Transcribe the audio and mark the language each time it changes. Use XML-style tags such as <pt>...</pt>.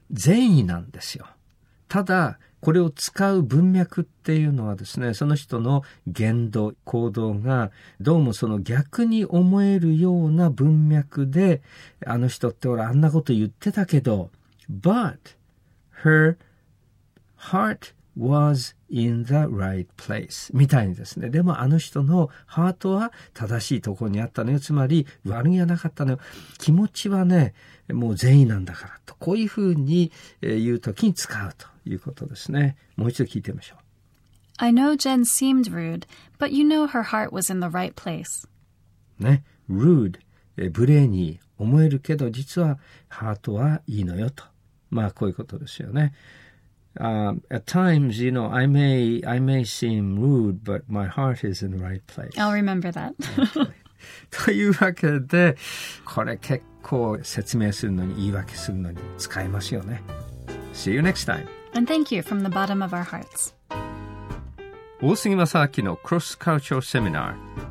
<ja>善意なんですよ。ただ、これを使う文脈っていうのはですね、その人の言動、行動がどうもその逆に思えるような文脈で、あの人って俺あんなこと言ってたけど、</ja> <en>But her heart was in the right place</en> <ja>みたいにですね。でもあの人のハートは正しいところにあったのよ。つまり悪気はなかったのよ。気持ちはね、もう善意なんだからと。こういうふうに言うときに使うと。いうことですね。もう一度聞いてみましょう。</ja> <en>I know Jen seemed rude, but you know her heart was in the right place.</en> <ja>ね、rude、無礼に思えるけど実はハートはいいのよと。まあこういうことですよね。</ja> <en>At times, you know, I may seem rude, but my heart is in the right place. I'll remember that.</en> <ja>というわけで、これ結構説明するのに、言い訳するのに使えますよね。</ja> <en>See you next time. And thank you from the bottom of our hearts.</en> <ja>大杉正明のクロスカルチャーセミナー</ja>